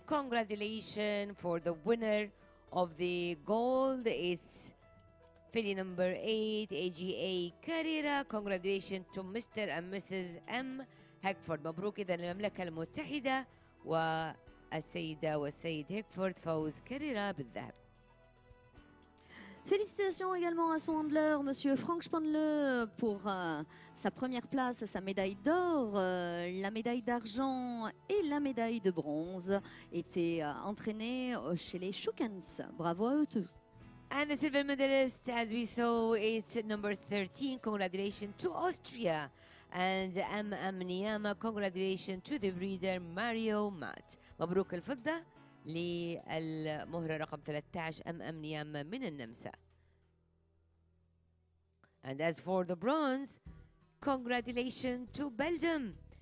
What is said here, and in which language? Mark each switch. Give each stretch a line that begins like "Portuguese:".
English: Congratulations for the winner of the gold. It's filly number 8, AGA Carrera. Congratulations to Mr. and Mrs. M. Hickford.
Arabic: مبروك إذا للمملكة المتحدة والسيدة والسيد هيكفورد فوز كاريرا بالذهب.
French: Félicitations également à son handler, monsieur Frank Spandle, pour sa première place, sa médaille d'or, la médaille d'argent et la médaille de bronze étaient entraînés chez les Shukans. Bravo à eux tous.
English: And the silver medalist, as we saw, it's number 13. Congratulations to Austria. And M.M. Niyama, congratulations to the breeder Mario Matt.
Arabic: مبروك الفضة للمهرة رقم 13 M.M. Niyama من النمسا.
English: And as for the bronze, congratulations to Belgium.